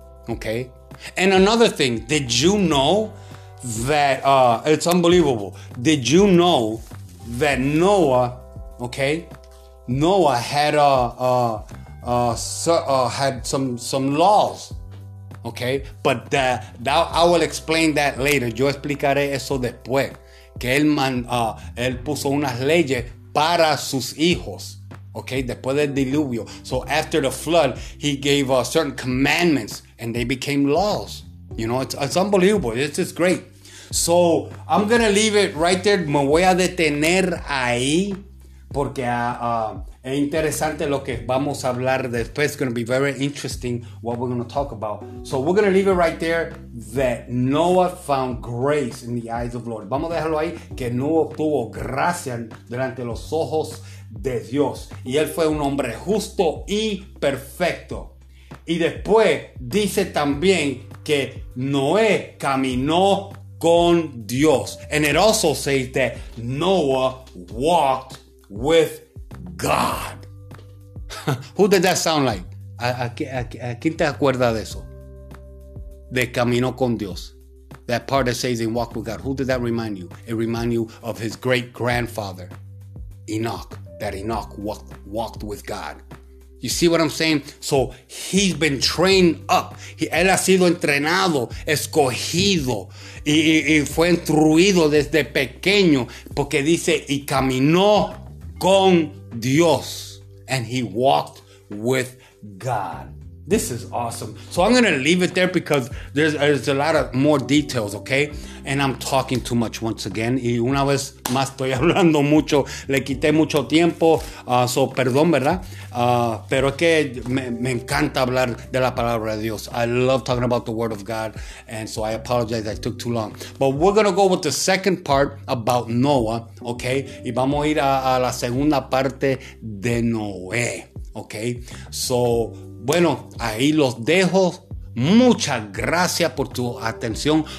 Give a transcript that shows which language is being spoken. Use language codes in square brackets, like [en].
[en] Okay, and another thing, did you know that, it's unbelievable, did you know that Noah had had some laws, okay, but that I will explain that later, [es] yo explicaré eso después, que él, él puso unas leyes para sus hijos. [en] Okay, [es] después del diluvio. [en] So after the flood, he gave certain commandments and they became laws. You know, it's unbelievable. This is great. So I'm going to leave it right there. [es] Me voy a detener ahí porque es interesante lo que vamos a hablar después. [en] It's going to be very interesting what we're going to talk about. So we're going to leave it right there that Noah found grace in the eyes of the Lord. [es] Vamos a dejarlo ahí que Noah tuvo gracia delante de los ojos de Dios. Y él fue un hombre justo y perfecto. Y después dice también que Noé caminó con Dios. [en] And it also says that Noah walked with God. Who did that sound like? [es] ¿A quién te acuerda de eso? De caminó con Dios. [en] That part that says he walked with God. Who did that remind you? It reminds you of his great grandfather, Enoch. That Enoch walked with God. You see what I'm saying? So he's been trained up. [es] Él ha sido entrenado, escogido. Y fue instruido desde pequeño. Porque dice, y caminó con Dios. [en] And he walked with God. This is awesome. So I'm going to leave it there because there's a lot of more details, okay? And I'm talking too much once again. [es] Y una vez más estoy hablando mucho. Le quité mucho tiempo. So perdón, ¿verdad? Pero es que me encanta hablar de la palabra de Dios. [en] I love talking about the word of God. And so I apologize. I took too long. But we're going to go with the second part about Noah, okay? [es] Y vamos a ir a la segunda parte de Noé, okay? So... Bueno, ahí los dejo. Muchas gracias por tu atención.